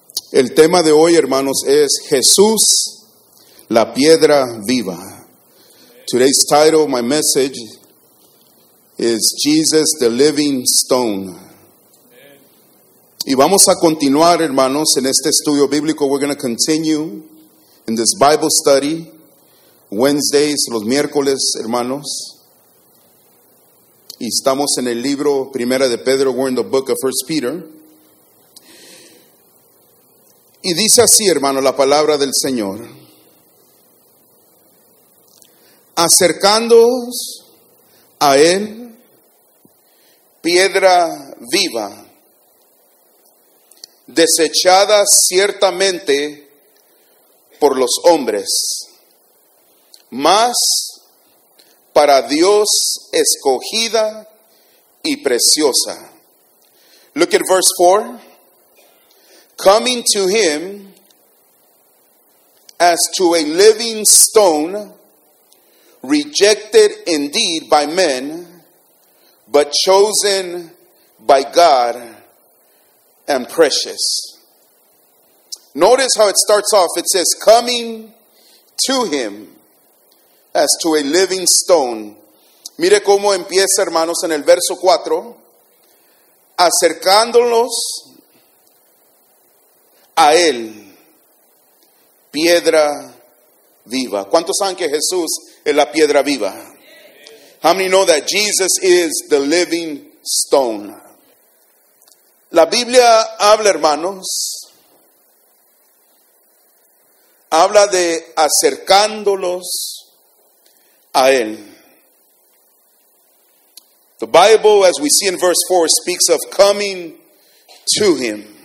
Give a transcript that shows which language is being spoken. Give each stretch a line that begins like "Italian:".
Spanish: El tema de hoy, hermanos, es Jesús, la piedra viva.
English: Today's title, my message, is Jesus, the living stone.
Spanish: Y vamos a continuar, hermanos, en este estudio bíblico.
English: We're going to continue in this Bible study.
Spanish: Wednesdays, los miércoles, hermanos. Y estamos en el libro Primera de Pedro,
English: we're in the book of 1 Peter.
Spanish: Y dice así, hermano, la palabra del Señor. Acercándoos a Él, piedra viva, desechada ciertamente por los hombres, mas para Dios escogida y preciosa.
English: Look at verse 4. Coming to him as to a living stone, rejected indeed by men, but chosen by God and precious. Notice how it starts off. It says, coming to him as to a living stone.
Spanish: Mire cómo empieza, hermanos, en el verso 4. Acercándolos a él, piedra viva. ¿Cuántos saben que Jesús es la piedra viva?
English: How many know that Jesus is the living stone?
Spanish: La Biblia habla, hermanos, habla de acercándolos a él.
English: The Bible, as we see in verse 4, speaks of coming to him.